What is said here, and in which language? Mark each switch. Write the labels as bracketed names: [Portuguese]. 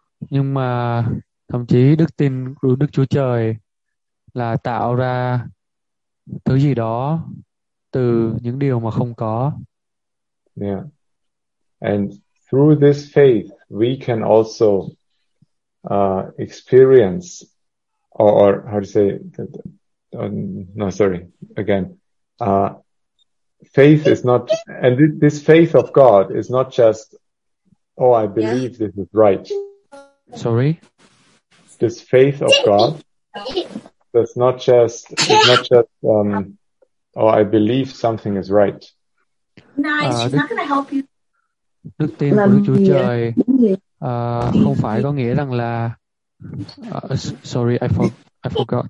[Vietnamese] Nhưng mà thậm chí đức tin của Đức Chúa Trời là tạo ra thứ gì đó từ những điều mà không có. [English] Yeah. And through this faith we can also experience or how to say that, no sorry again faith is not, and this faith of God is not just, oh, I believe this is right. Sorry? This faith of God does not just, it's not just, oh, I believe something is right. Nice, she's not going to help you. [Vietnamese] Đức tin của Đức Chúa Trời không phải có nghĩa rằng là [English] sorry, I forgot.